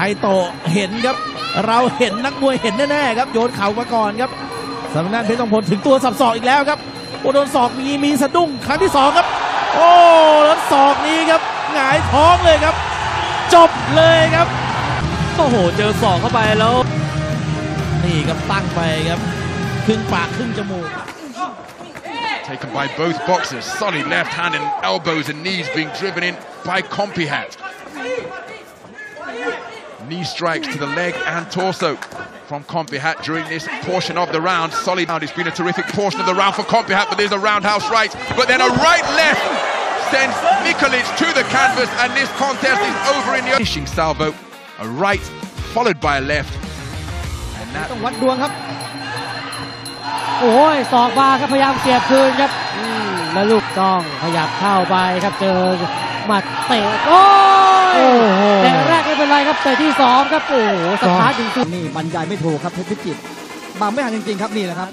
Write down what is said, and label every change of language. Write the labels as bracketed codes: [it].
[th] ไคโตะเห็นครับเราเห็นนักมวยเห็นแน่ๆครับโยนเข่ามาก่อนครับสำนักเพชรทองพลถึงตัวสับศอกอีกแล้วครับโดนศอกมีสะดุ้งครั้งที่2ครับโอ้แล้วศอกนี้ครับหงายท้องเลยครับจบเลยครับ โอ้โหเจอศอกเข้าไปแล้ว นี่ครับตั้งไปครับครึ่งปากครึ่งจมูก [en] taken by both boxers solid left hand and elbows and knees being driven in by Compihat knee strikes to the leg and torso from Compihat during this portion of the round solid round it's been a terrific portion of the round for Compihat but there's a roundhouse right but then a right left sends Nikolic to the canvas and this contest is over in the finishing salvo a right followed by a left and that one [th] ดวงครับโอ้ยศอกมาครับพยายามเสียบคืนครับแล้วลูกต้องขยับเข้าไปครับเจอหมัดเตะโอ้ยแต่แรกไม่เป็นไรครับแต่ที่2ครับโอ้สตาร์ทจริง ๆนี่บรรยายไม่ถูกครับเพชรพิจิตรมาไม่ทันจริงๆครับนี่แหละครับ